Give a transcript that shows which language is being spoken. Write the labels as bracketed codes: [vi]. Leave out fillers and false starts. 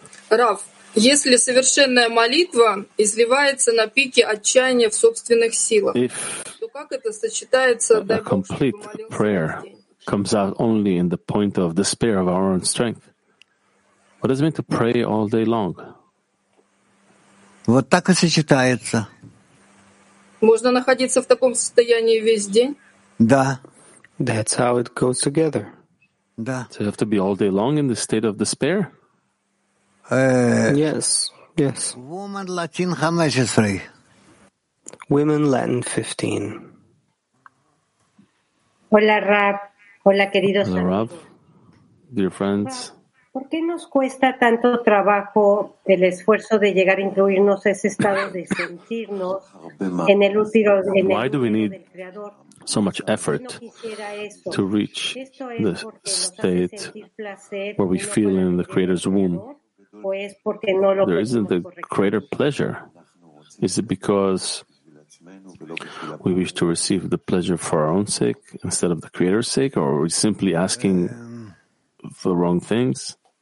[ru] Рав, если совершенная молитва изливается на пике отчаяния в собственных силах, [en] if [ru] то как это сочетается [en] a complete prayer comes out only in the point of despair of our own strength, what does it mean to pray all day long? [ru] Вот так и сочетается. Можно находиться в таком состоянии весь день? Да. [en] That's how it goes together. [ru] Да. [en] So you have to be all day long in the state of despair? Yes, yes. Woman Latin 15. Women Latin 15. [es] Hola, Rab. Hola, queridos. [en] Hello, Rab. Dear friends. [es] ¿Por qué nos cuesta tanto trabajo el esfuerzo de llegar a incluirnos a ese estado de sentirnos en el útero del Creador? [en] Why do we need so much effort to reach the state where we feel in the Creator's womb? There isn't a greater pleasure. Is it because we wish to receive the pleasure for our own sake instead of the Creator's sake, or are we simply asking for the wrong things?